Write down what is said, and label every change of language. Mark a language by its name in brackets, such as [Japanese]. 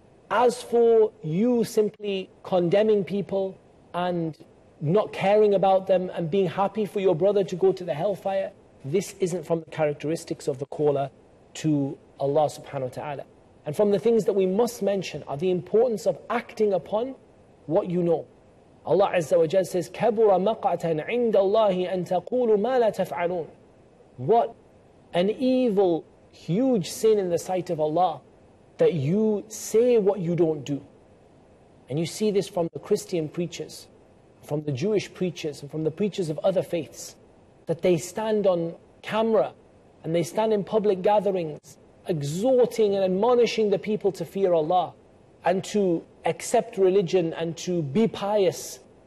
[English] As for you simply condemning people and not caring about them and being happy for your brother to go to the hellfire, this isn't from the characteristics of the caller to Allah subhanahu wa ta'ala. And from the things that we must mention are the importance of acting upon what you know. Allah Azza wa Jalla says, [Arabic] كَبُرَ مَقْعَةً عِنْدَ اللَّهِ أَن تَقُولُ مَا لَا تَفْعَلُونَ. [English] What an evil, huge sin in the sight of Allah that you say what you don't do. And you see this from the Christian preachers, from the Jewish preachers, and from the preachers of other faiths, that they stand on camera and they stand in public gatherings exhorting and admonishing the people to fear Allah and to accept religion and to be pious.